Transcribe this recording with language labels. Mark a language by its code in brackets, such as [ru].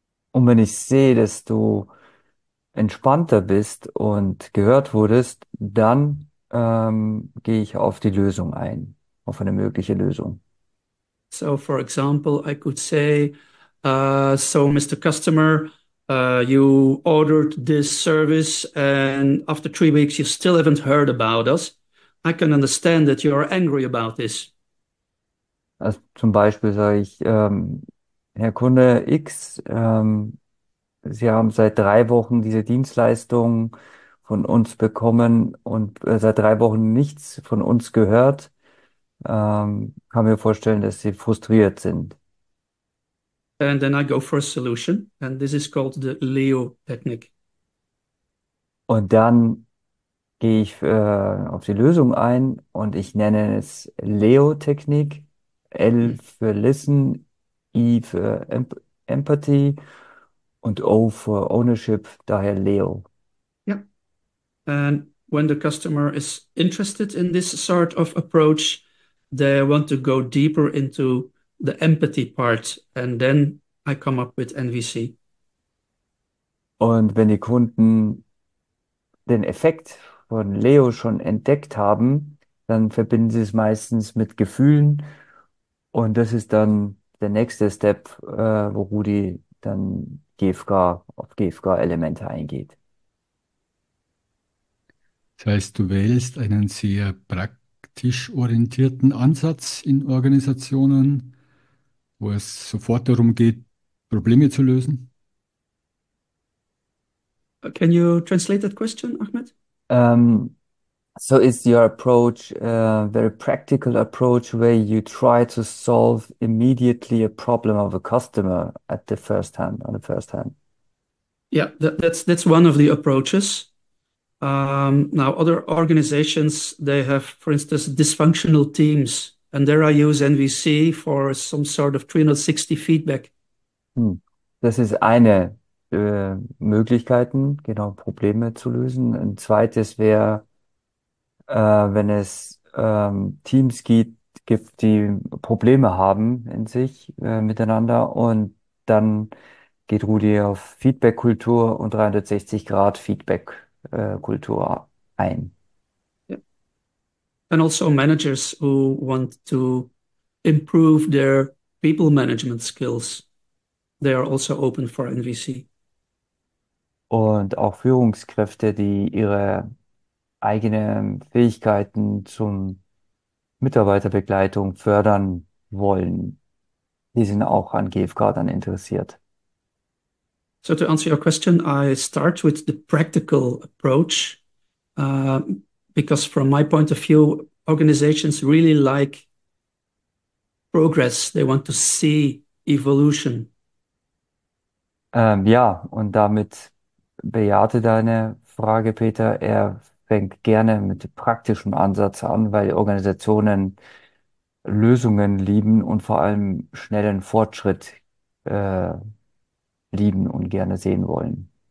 [de] Und wenn ich sehe, dass du entspannter bist und gehört wurdest, dann gehe ich auf die Lösung ein, auf eine mögliche Lösung. [en] So, for example, I could say, so, Mr. Customer, you ordered this service, and after 3 weeks, you still haven't heard about us. I can understand that you are angry about this. [de] Also zum Beispiel sage ich, Herr Kunde X, Sie haben seit 3 Wochen diese Dienstleistung von uns bekommen und seit 3 Wochen nichts von uns gehört, kann mir vorstellen, dass Sie frustriert sind. [en] And then I go for a solution, and this is called the Leo Technique. [de] Und dann gehe ich auf die Lösung ein und ich nenne es Leo-Technik. L für Listen, I für Empathy und O für Ownership, daher Leo. [en] And when the customer is interested in this sort of approach, they want to go deeper into the empathy part, and then I come up with NVC. [de] Und wenn die Kunden den Effekt von Leo schon entdeckt haben, dann verbinden sie es meistens mit Gefühlen. Und das ist dann der nächste Step, wo Rudi dann GFK auf GFK-Elemente eingeht. Das heißt, du wählst einen sehr praktisch orientierten Ansatz in Organisationen, wo es sofort darum geht, Probleme zu lösen. [en] Can you translate that question, Ahmed? So is your approach a very practical approach where you try to solve immediately a problem of a customer at the first hand, on the first hand? Yeah, that's one of the approaches. Now, other organizations, they have, for instance, dysfunctional teams, and there I use NVC for some sort of 360 feedback. [de] Das ist eine Möglichkeiten, genau, Probleme zu lösen. Ein zweites wäre, wenn es Teams gibt, die Probleme haben in sich miteinander, und dann geht Rudi auf Feedback-Kultur und 360-Grad-Feedback-Kultur ein. [en] And also managers who want to improve their people management skills, they are also open for NVC. [de] Und auch Führungskräfte, die ihre eigenen Fähigkeiten zum Mitarbeiterbegleitung fördern wollen, die sind auch an GFK dann interessiert. [en] So to answer your question, I start with the practical approach, because from my point of view, organizations really like progress. They want to see evolution. [de] Ja, und damit bejahte deine Frage, Peter. Er fängt gerne mit praktischem Ansatz an, weil Organisationen Lösungen lieben und vor allem schnellen Fortschritt lieben und gerne sehen wollen.